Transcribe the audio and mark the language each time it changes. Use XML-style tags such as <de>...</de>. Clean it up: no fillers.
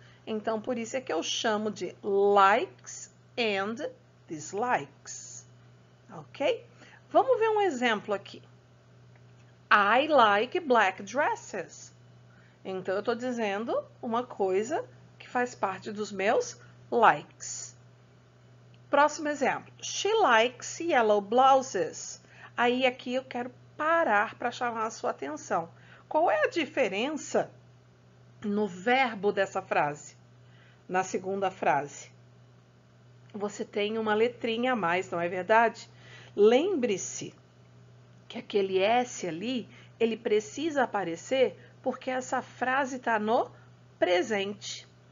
<pt>Então, por isso é que eu chamo de</pt> <en>likes and dislikes.</en> <pt>Ok? Vamos ver um exemplo aqui.</pt> <en>I like black dresses.</en> <pt>Então, eu estou dizendo uma coisa que faz parte dos meus likes. Próximo exemplo.</pt> <en>She likes yellow blouses.</en> <pt>Aí, aqui eu quero parar para chamar a sua atenção. Qual é a diferença no verbo dessa frase? Na segunda frase. Você tem uma letrinha a mais, não é verdade? Lembre-se que aquele S ali, ele precisa aparecer porque essa frase está no presente.</pt>